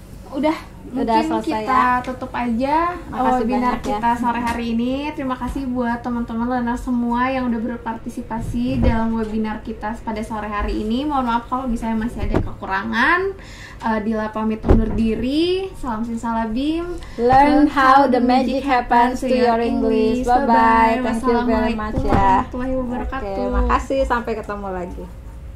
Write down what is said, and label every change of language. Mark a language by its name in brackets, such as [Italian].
[Indonesian] Udah mungkin selesai, kita ya. Tutup aja webinar kita sore hari ini. Terima kasih buat teman-teman learners semua yang udah berpartisipasi dalam webinar kita pada sore hari ini. Mohon maaf kalau misalnya masih ada kekurangan. Dila pamit undur diri. Salam Simsalabim. [English] Learn how the magic happens to your English. Bye-bye. Thank you very much ya. [Arabic] Warahmatullahi wabarakatuh. [Indonesian] Oke, makasih. Sampai ketemu lagi.